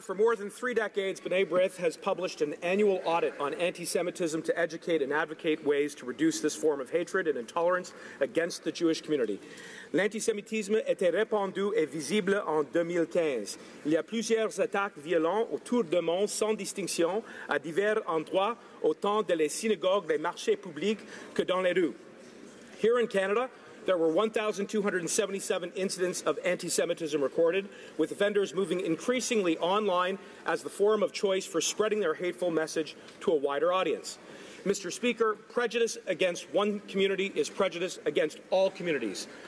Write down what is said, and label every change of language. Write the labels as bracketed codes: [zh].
[en] For more than three decades, B'nai B'rith has published an annual audit on anti-Semitism to educate and advocate ways to reduce this form of hatred and intolerance against the Jewish community. [fr] L'antisémitisme était répandu et visible en 2015. Il y a plusieurs attaques violentes autour de monde sans distinction à divers endroits, autant dans les synagogues, les marchés publics que dans les rues. [en] Here in Canada, there were 1,277 incidents of anti-Semitism recorded, with offenders moving increasingly online as the forum of choice for spreading their hateful message to a wider audience. Mr. Speaker, prejudice against one community is prejudice against all communities.